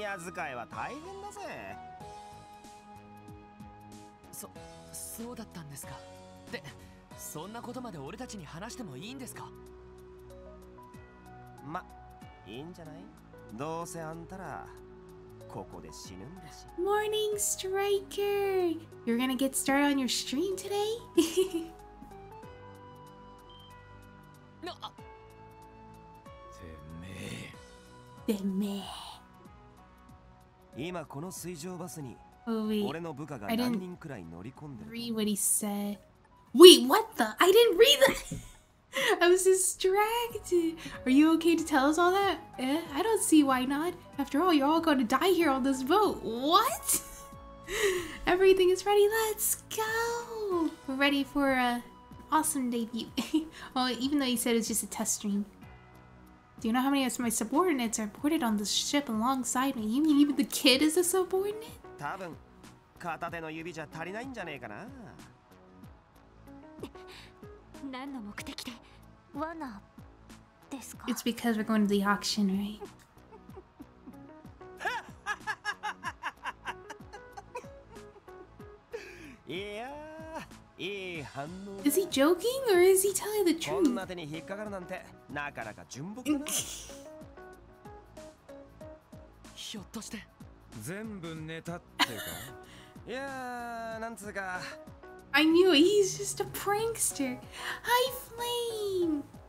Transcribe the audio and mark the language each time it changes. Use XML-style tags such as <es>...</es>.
<ja>そうだったんですか。で、そんなことまで俺たちに話してもいいんですか？ま、いいんじゃない？どうせあんたらここで死ぬんだし。</ja> <en>Morning, Striker! You're gonna get started on your stream today?</en> <ja>な、あ、てめえ。てめえ。今この水上バスに、俺の部下が何人くらい乗り込んでる。</ja> <en>I didn't read what he said. Wait, what the? I didn't read that! I was distracted! Are you okay to tell us all that? Eh, I don't see why not. After all, you're all going to die here on this boat. What? Everything is ready, let's go! We're ready for an awesome debut. Well, even though he said it's just a test stream. Do you know how many of my subordinates are boarded on this ship alongside me? You mean even the kid is a subordinate?</en> <ja>多分、片手の指じゃ足りないんじゃねえかな。何の目的で罠ですか？</ja> <en>It's because we're going to the auction, right?</en> <ja>いやー、いい反応。</ja> <en>Is he joking or is he telling the truth?</en> <ja>こんな手に引っかかるなんて、なかなか純朴だな。ひょっとして全部ネタってか？いやー、なんつうか。</ja> <en>I knew it. He's just a prankster. Hi, Flame!</en>